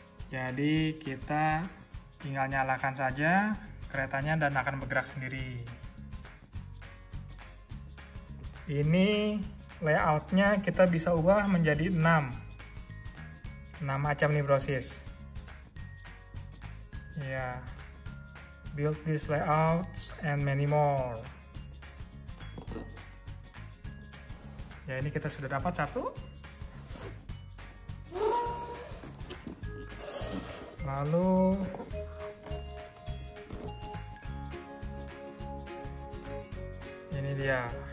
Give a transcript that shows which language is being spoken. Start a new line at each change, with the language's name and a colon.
Indonesian: Jadi kita tinggal nyalakan saja keretanya dan akan bergerak sendiri. Ini layoutnya kita bisa ubah menjadi 6. 6 macam nih, brosis.
English: Ya, build this layout and many more.
Indonesian: Ya, ini kita sudah dapat satu. Lalu ini dia.